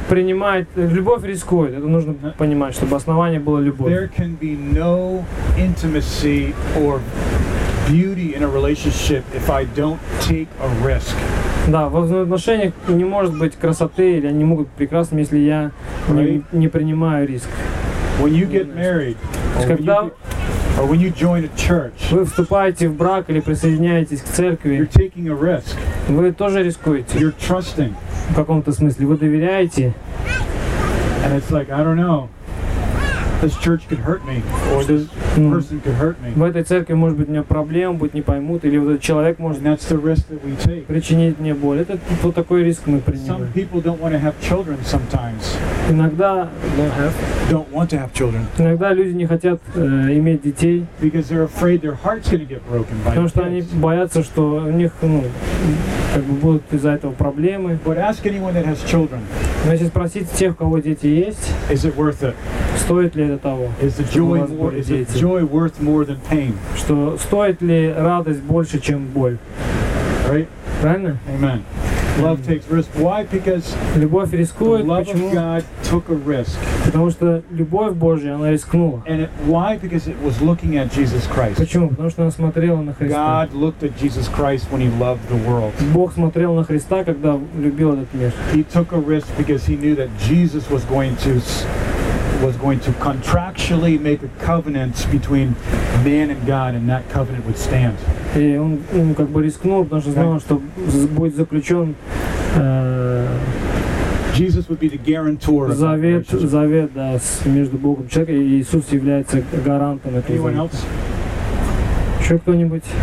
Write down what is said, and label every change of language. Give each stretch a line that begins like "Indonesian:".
Russian: Принимает, любовь рискует. Это нужно понимать, чтобы основание было любовь.
English: There can be no intimacy or beauty in a relationship if I don't take a risk.
Russian: Да, в отношениях не может быть красоты, или они могут быть прекрасными, если я не принимаю риск.
English: When you get married, or when you join a church,
Russian: вы вступаете в брак или присоединяетесь к церкви,
English: you're taking a risk.
Russian: Вы тоже рискуете.
English: You're trusting.
Russian: В каком-то смысле вы доверяете.
English: And it's like, I don't know. This church could hurt me. Or this person could hurt me.
Russian: В этой церкви может быть у меня проблема, будет не поймут, или вот этот человек может.
English: And that's the risk that we take.
Russian: Причинить мне боль. Это вот такой риск мы принимаем.
English: Some people don't want to have children sometimes.
Russian: Иногда
English: don't want to have children.
Russian: Иногда люди не хотят иметь детей.
English: Because they're afraid their heart's going to get broken by.
Russian: Потому что они боятся, что у них как бы будут из-за этого проблемы.
English: But ask anyone that has children.
Russian: Но если спросить тех, у кого дети есть,
English: is it worth it?
Russian: Стоит ли это того?
English: Is the joy more, is the joy worth more than pain?
Russian: Что стоит ли радость больше, чем боль?
English: Right?
Russian: Правильно?
English: Amen. Love takes risk. Why? Because
Russian: любовь рискует.
English: The love
Russian: почему?
English: Of God took a risk.
Russian: Потому что любовь Божья, она рискнула.
English: And it, why? Because it was looking at Jesus Christ.
Russian: Почему? Потому что она смотрела на Христа.
English: God looked at Jesus Christ when He loved the world.
Russian: Бог смотрел на Христа, когда любил этот мир.
English: He took a risk because He knew that Jesus was going to contractually make a covenant between man and God, and that covenant would stand.
Russian: И он как бы рискнул, потому что знал, что будет заключен
English: Jesus would be the guarantor.
Russian: Завет, да, между Богом и человеком, и Иисус является гарантом этого.
English: Anyone else?
Russian: Еще кто-нибудь?